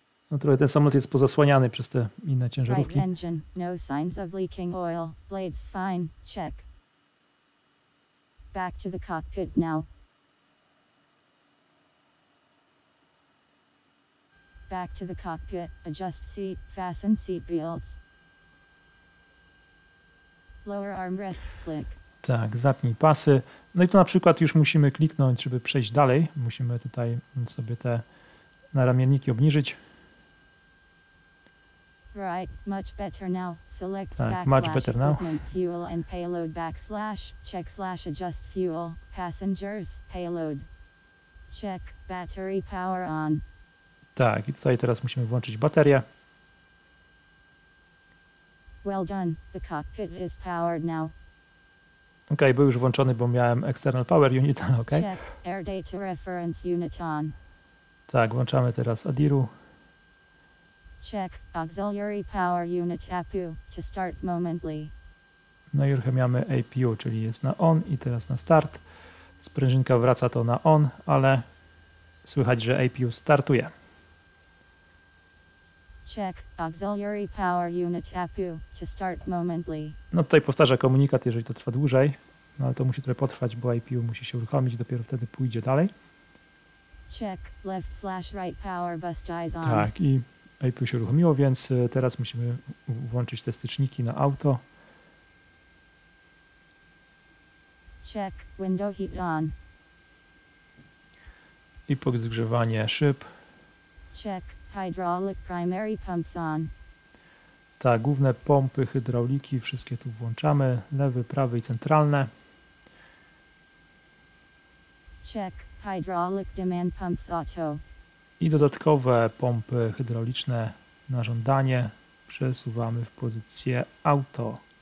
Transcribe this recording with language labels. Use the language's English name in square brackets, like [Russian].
[Polish] No trochę ten samolot jest pozasłaniany przez te inne ciężarówki. [English] Right engine, no signs of leaking oil, blades fine, check. Back to the cockpit now. Back to the cockpit, adjust seat, fasten seat belts. Lower armrests click. [Polish] Tak, zapnij pasy. No i tu na przykład już musimy kliknąć, żeby przejść dalej. Musimy tutaj sobie te naramienniki obniżyć. [English] Right, much better now. Select [Polish] tak, [English] /equipment, fuel and payload / check / adjust fuel, passengers, payload. Check, battery power on. [Polish] Tak, i tutaj teraz musimy włączyć baterię. [English] Well done, the cockpit is powered now. [Polish] Ok, był już włączony, bo miałem [English] external power unit, [Polish] ale ok. [English] Check, air data reference unit on. [Polish] Tak, włączamy teraz ADIRU. [English] Check auxiliary power unit APU to start momently. [Polish] No i uruchamiamy APU, czyli jest na on i teraz na start. Sprężynka wraca to na on, ale słychać, że APU startuje. [English] Check auxiliary power unit APU to start momently. [Polish] No tutaj powtarza komunikat, jeżeli to trwa dłużej, no ale to musi trochę potrwać, bo APU musi się uruchomić, dopiero wtedy pójdzie dalej. [English] Check left / right power bus dies on. [Polish] Tak, i APU się uruchomiło, więc teraz musimy włączyć te styczniki na auto. [English] Check window heat on. [Polish] I podgrzewanie szyb. [English] Check hydraulic primary pumps on. [Polish] Tak, główne pompy, hydrauliki, wszystkie tu włączamy. Lewy, prawy i centralne. [English] Check hydraulic demand pumps auto. [Polish] I dodatkowe pompy hydrauliczne na żądanie przesuwamy w pozycję auto.